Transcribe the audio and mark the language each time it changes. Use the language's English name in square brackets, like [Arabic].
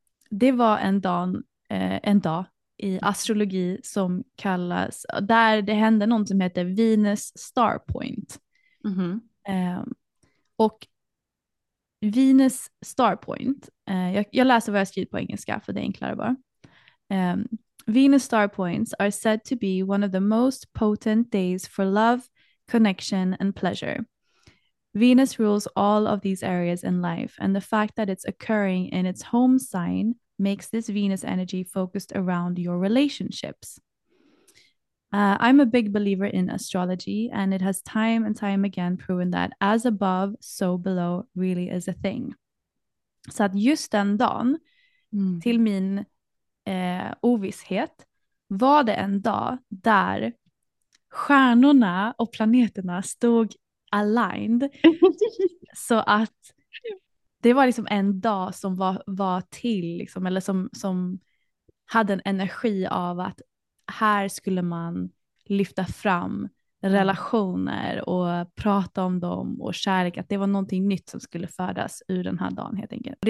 [Swedish] Det var en dag i astrologi som kallas, där det hände något som heter Venus Star Point. Och Venus Star Point, jag läser vad jag skriver på engelska för det är enklare bara. [English] Venus Star Points are said to be one of the most potent days for love, connection and pleasure. Venus rules all of these areas in life, and the fact that it's occurring in its home sign makes this Venus energy focused around your relationships. I'm a big believer in astrology, and it has time and time again proven that as above, so below really is a thing. [Swedish] Så att just den dagen, till min ovisshet, var det en dag där stjärnorna och planeterna stod aligned, så att det var liksom en dag som var till liksom, eller som hade en energi av att här skulle man lyfta fram relationer och prata om dem och kärlek, att det var någonting nytt som skulle födas ur den här dagen helt enkelt.